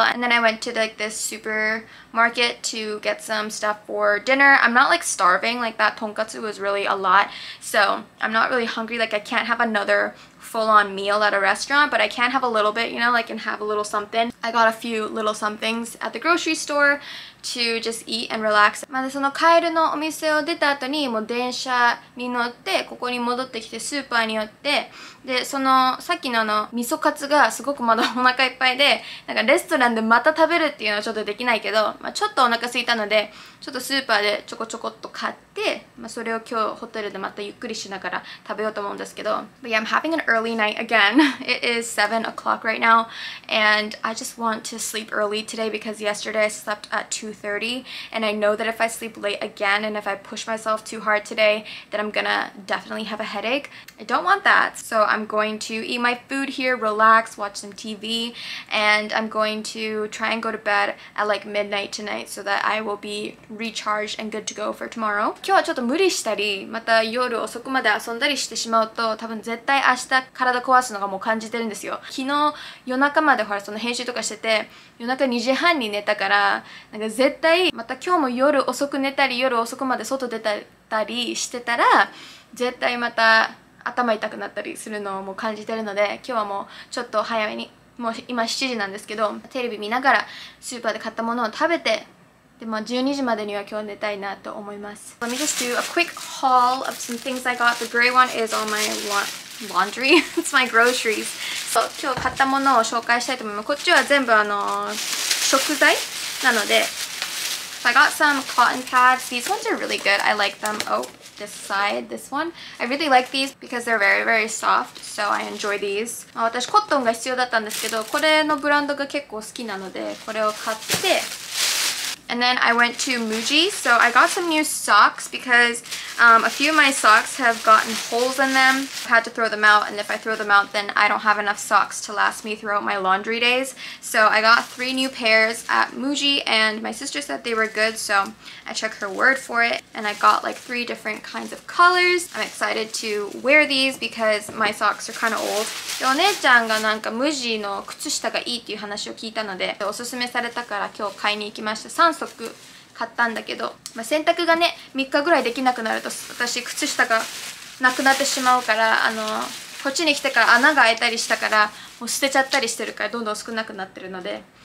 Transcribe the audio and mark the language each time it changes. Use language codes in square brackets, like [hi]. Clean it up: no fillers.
[en] And then I went to like this supermarket to get some stuff for dinner. I'm not like starving. Like that tonkatsu was really a lot. So I'm not really hungry. Like I can't have another full-on meal at a restaurant, but I can have a little bit, you know, like, and have a little something. I got a few little somethings at the grocery store to just eat and relax. [ja] まずそのカエルのお店を出た後に、もう電車に乗って、ここに戻ってきて、スーパーに寄って、で、その、さっきのあの、味噌カツがすごくまだお腹いっぱいで、なんかレストランでまた食べるっていうのはちょっとできないけど、まあ、ちょっとお腹すいたので、ちょっとスーパーでちょこちょこっと買って、まあ、それを今日ホテルでまたゆっくりしながら食べようと思うんですけど。 [en] But yeah, I'm having an early night again. It is 7 o'clock right now, and I just want to sleep early today because yesterday I slept at 2:30, and I know that if I sleep late again and if I push myself too hard today, then I'm gonna definitely have a headache. I don't want that, so I'm going to eat my food here, relax, watch some TV, and I'm going to try and go to bed at like midnight tonight so that I will be recharged and good to go for tomorrow. [ja] 今日はちょっと無理したり、また夜遅くまで遊んだりしてしまうと、多分絶対明日体壊すのがもう感じてるんですよ。昨日夜中までほらその編集とかしてて、夜中2時半に寝たから、なんか絶対また今日も夜遅く寝たり、夜遅くまで外出たりしてたら、絶対また頭痛くなったりするのをもう感じてるので、今日はもうちょっと早めに、もう今7時なんですけど、テレビ見ながらスーパーで買ったものを食べて、でも12時までには今日寝たいなと思います。 [en] Let me just do a quick haul of some things I got. The gray one is all my laundry. It's my groceries. [ja] そう、今日買ったものを紹介したいと思います。こっちは全部食材なので。 [en] So I got some cotton pads. These ones are really good. I like them. Oh. This side, this one. I really like these because they're very, very soft, so I enjoy these. [ja] 私コットンが必要だったんですけど、これのブランドが結構好きなので、これを買って。 [en] And then I went to Muji, so I got some new socks because、a few of my socks have gotten holes in them. I had to throw them out, and if I throw them out, then I don't have enough socks to last me throughout my laundry days. So I got 3 new pairs at Muji, and my sister said they were good, so I took her word for it. And I got like 3 different kinds of colors. I'm excited to wear these because my socks are kind of old. [ja] お姉ちゃんがなんか Muji の靴下がいいっていう話を聞いたので、おすすめされたから今日買いに行きました。 3足買ったんだけど、まあ、洗濯がね3日ぐらいできなくなると私靴下がなくなってしまうから、こっちに来てから穴が開いたりしたからもう捨てちゃったりしてるからどんどん少なくなってるので。